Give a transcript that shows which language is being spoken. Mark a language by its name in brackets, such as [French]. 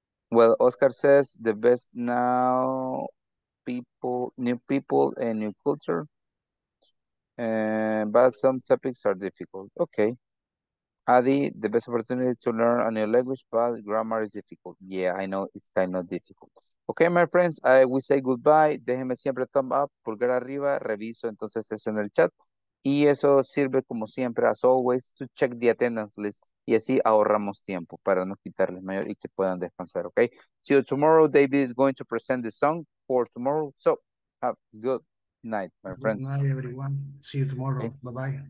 [English] Well, Oscar says the best now, new people and new culture, but some topics are difficult. Okay. Adi, the best opportunity to learn a new language, but grammar is difficult. Yeah, I know it's kind of difficult. Okay, my friends, we say goodbye. [Spanish] Déjeme siempre [English] thumb up, [Spanish] pulgar arriba, reviso entonces eso en el chat. Y eso sirve como siempre, [English] as always, to check the attendance list. [Spanish] Y así ahorramos tiempo para no quitarles mayor y que puedan descansar, okay? [English] See you tomorrow. David is going to present the song for tomorrow. So, have a good night, my friends. Good night, everyone. See you tomorrow. Okay. Bye-bye.